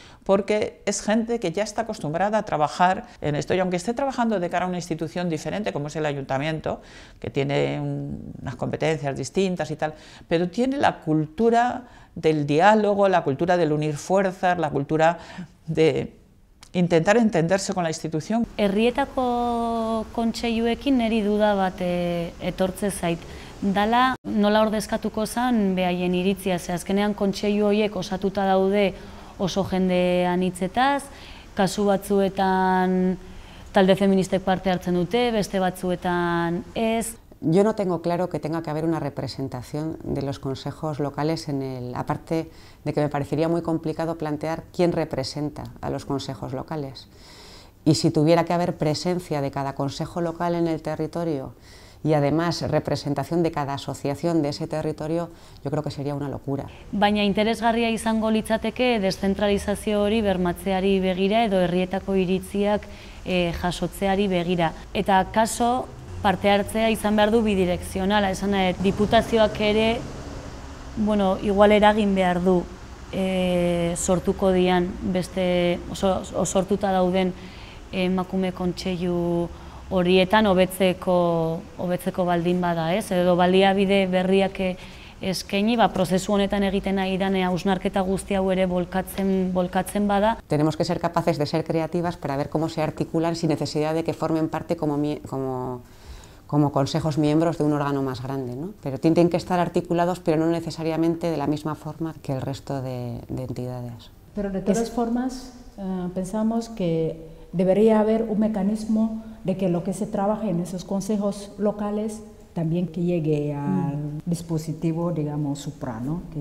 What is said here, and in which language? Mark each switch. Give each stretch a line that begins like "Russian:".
Spanish: Porque es gente que ya está acostumbrada a trabajar en esto, y aunque esté trabajando de cara a una institución diferente, como es el ayuntamiento, que tiene unas competencias distintas y tal, pero tiene la cultura del diálogo, la cultura del unir fuerzas, la cultura de intentar entenderse con la institución.
Basque: Herrietako kontseiluekin neri duda bat etortze zait. Dala nola ordezkatuko zan behaien iritzia, ze azkenean kontseilu horiek osatuta daude oso jende anitzetaz, kasu batzuetan talde feministek parte hartzen dute, beste batzuetan ez.
Spanish: Yo no tengo claro que tenga que haber una representación de los consejos locales en el, aparte de que me parecería muy complicado plantear quién representa a los consejos locales. Y si tuviera que haber presencia de cada consejo local en el territorio y además representación de cada asociación de ese territorio, yo creo que sería una locura.
Basque: Baina interesgarria izango litzateke deszentralizazio hori bermatzeari begira edo herrietako iritziak jasotzeari begira. Eta kaso parte hartzea izan behar du bidirekzionala, esan nahi, diputazioak ere, bueno, igual eragin behar du sortuko dian, beste, sortuta dauden emakume kontseilu horietan hobetzeko baldin bada, ez? Edo baliabide berriak eskaini, ba, prozesu honetan egiten nahi dan hausnarketa guzti hau ere bolkatzen bada.
Spanish: Tenemos que ser capaces de ser creativas para ver cómo se articulan sin necesidad de que formen parte como consejos miembros de un órgano más grande, ¿no? Pero tienen que estar articulados, pero no necesariamente de la misma forma que el resto de entidades. Pero de todas formas, pensamos que debería haber un mecanismo de que lo que se trabaje en esos consejos locales también que llegue al dispositivo, digamos, supra, ¿no?